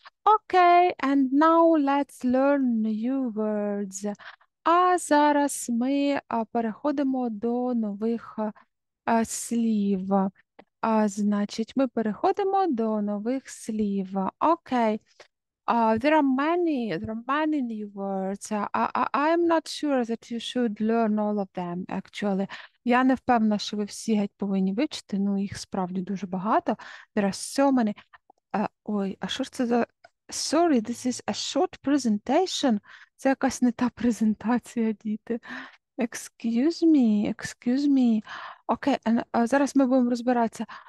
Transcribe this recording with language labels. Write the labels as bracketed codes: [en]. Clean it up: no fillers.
[en] Okay, and now let's learn new words. [uk] А зараз ми переходимо до нових слів. А значить, ми переходимо до нових слів. [en] Okay. There are many new words. I'm not sure that you should learn all of them, actually. [uk] Я не впевнена, що ви всі геть повинні вивчити, ну їх справді дуже багато. [en] There are so many. [uk] Ой, а що ж це за... [en] Sorry, this is a short presentation. [uk] Це якась не та презентація, діти. [en] Excuse me. Okay, and, [uk] зараз ми будемо розбиратися.